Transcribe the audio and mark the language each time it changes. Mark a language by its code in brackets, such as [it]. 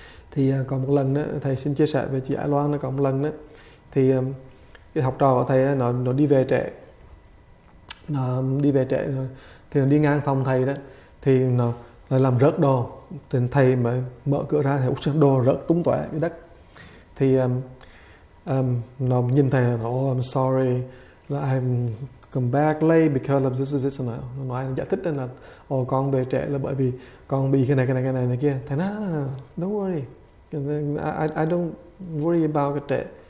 [vi] Thì còn một lần nữa, thầy xin chia sẻ về chị Ái Loan. Còn một lần nữa, thì cái học trò của thầy nó đi về trễ. Nó đi về trễ rồi, thì nó đi ngang phòng thầy đó, thì nó lại làm rớt đồ. Thì thầy mới mở cửa ra, thầy úc đồ rớt tung tóe dưới đất. Thì nó nhìn thầy, nó [en] oh, I'm sorry, I'm come back late because of this is this. [vi] Nó nói, nó giải thích là oh, con về trễ là bởi vì con bị cái này kia. Thầy nói, [en] don't worry, I don't worry about [vi] cái trễ.